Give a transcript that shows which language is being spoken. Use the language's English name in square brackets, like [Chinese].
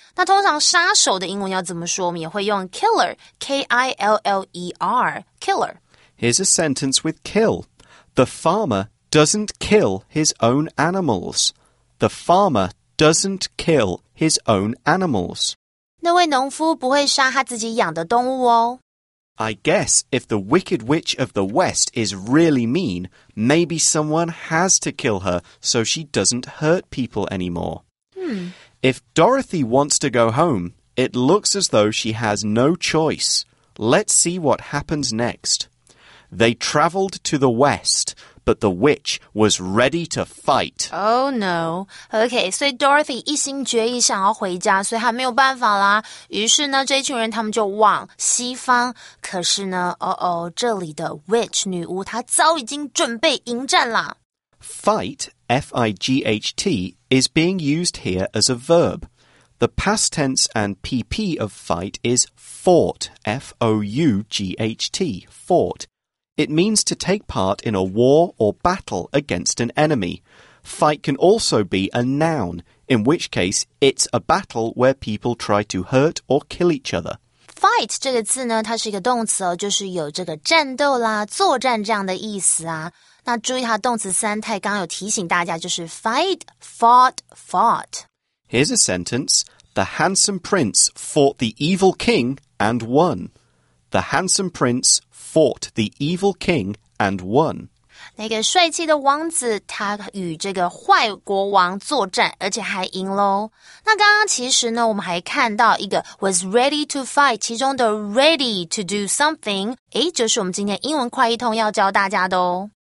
[Chinese] 那通常杀手的英文要怎么说我们也会用 killer, K-I-L-L-E-R, killer. [English] Here's a sentence with kill. The farmer doesn't kill his own animals. The farmer doesn't kill his own animals. [Chinese] 那位农夫不会杀他自己养的动物哦。 [English] I guess if the Wicked Witch of the West is really mean, maybe someone has to kill her so she doesn't hurt people anymore. If Dorothy wants to go home, it looks as though she has no choice. Let's see what happens next. They traveled to the West,But the witch was ready to fight. Oh no. Okay, so Dorothy [Chinese] 一心决意想要回家所以她没有办法啦。于是呢这一群人他们就往西方。可是呢这里的 witch 女巫她早已经准备迎战啦。 [English] Fight, F-I-G-H-T, is being used here as a verb. The past tense and PP of fight is fought, F-O-U-G-H-T, fought. It means to take part in a war or battle against an enemy. Fight can also be a noun, in which case it's a battle where people try to hurt or kill each other. [Chinese] Fight 这个字呢它是一个动词哦就是有这个战斗啦作战这样的意思啊。那注意它动词三态刚刚有提醒大家就是 fight, fought, fought. [English] Here's a sentence. The handsome prince fought the evil king and won. The handsome princefought the evil king and won. [Chinese] 那个帅气的王子他与这个坏国王作战而且还赢咯。那刚刚其实呢我们还看到一个 [English] was ready to fight, [Chinese] 其中的 [English] ready to do something, [Chinese] 诶就是我们今天英文快译通要教大家的哦。